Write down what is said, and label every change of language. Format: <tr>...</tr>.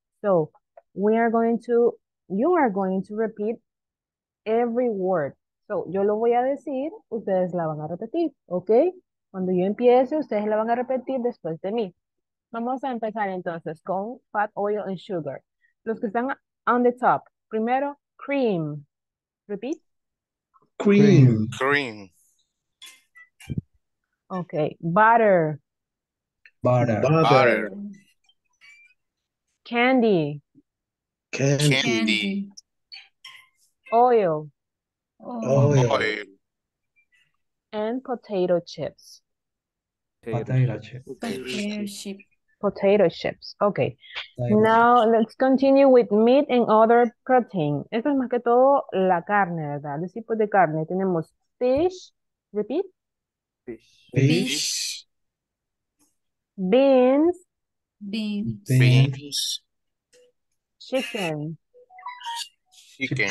<en>So, you are going to repeat every word.</en> <es>So, yo lo voy a decir, ustedes la van a repetir, ¿ok? Cuando yo empiece, ustedes la van a repetir después de mí. Vamos a empezar entonces con</es> <en>fat, oil, and sugar.</en> <es>Los que están</es> <en>on the top. Primero, cream. Repeat. Cream. Cream. Okay. Butter. Butter. Butter. Butter. Candy. Candy. Candy. Oil. Oil. Oil. And potato chips. Potato chips. Potato chips. Okay. Now let's continue with meat and other protein.</en> <es>Esto es más que todo la carne, ¿verdad? Los tipos de carne. Tenemos fish. Repeat.</es> <en>Fish. Beans. Beans. Chicken. Chicken.</en>